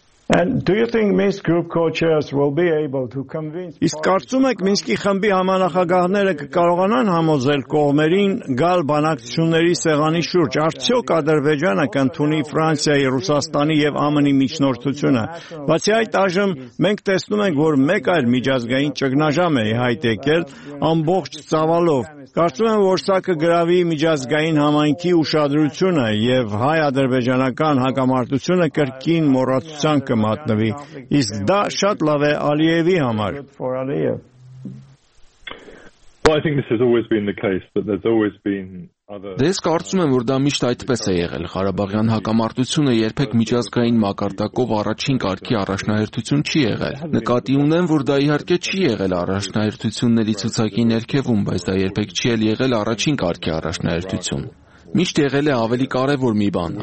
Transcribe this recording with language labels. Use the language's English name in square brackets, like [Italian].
[English] And do you think Minsk group co-chairs will be able to convince [Armenian] Իսկ կարծում եք Մինսկի խմբի համանախագահները կկարողանան համոզել կողմերին գալ բանակցությունների սեղանի շուրջ, արդյոք Ադրբեջանը կընդունի Ֆրանսիայի, Ռուսաստանի եւ ԱՄՆ-ի միջնորդությունը։ Բացի այդ, այժմ մենք տեսնում ենք, որ մեկ այլ միջազգային ճգնաժամ է հայտեկել ամբողջ ծավալով։ Կարծում եմ, որ սա կգրավի միջազգային համայնքի ուշադրությունը եւ հայ-ադրբեջանական հակամարտությունը կրկին մոռացության կմատնվի, իսկ դա շատ լավ է Ալիևի համար։ [English] Well, I think this has always been the case, that there's always been [Armenian] Ես կարծում եմ, որ դա միշտ այդպես է եղել։ Ղարաբաղյան հակամարտությունը երբեք միջազգային մակարդակով առաջին կարգի առաջնահերթություն չի եղել։ Նկատի ունեմ, որ դա իհարկե չի եղել առաջնահերթությունների ցուցակի ներքևում, բայց դա երբեք չի եղել առաջին կարգի առաջնահերթություն։ Միշտ եղել է ավելի կարևոր մի բան.